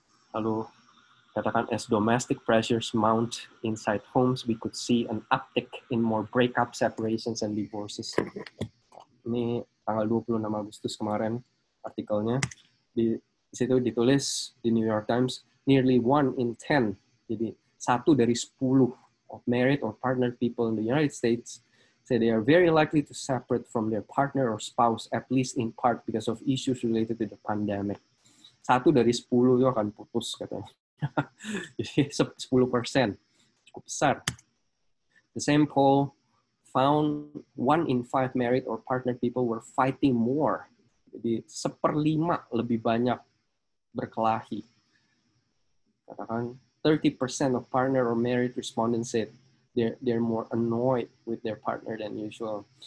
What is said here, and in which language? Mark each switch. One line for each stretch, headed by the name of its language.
Indonesian: Lalu, katakan,
English: as domestic pressures mount inside homes, we could see an uptick in more breakup, separations, and divorces.
Indonesian: Ini tanggal 26 Agustus kemarin artikelnya. Di situ ditulis di
English: New York Times, nearly 1 in 10,
Indonesian: jadi 1 dari 10
English: of married or partnered people in the United States say they are very likely to separate from their partner or spouse, at least in part because of issues related to the pandemic.
Indonesian: 1 dari 10 itu akan putus, katanya. Jadi 10%, cukup besar.
English: The same poll found 1 in 5 married or partnered people were fighting more.
Indonesian: Jadi 1/5 lebih banyak berkelahi. Katakan
English: 30% of partner or married respondents said they're more annoyed with their partner than usual.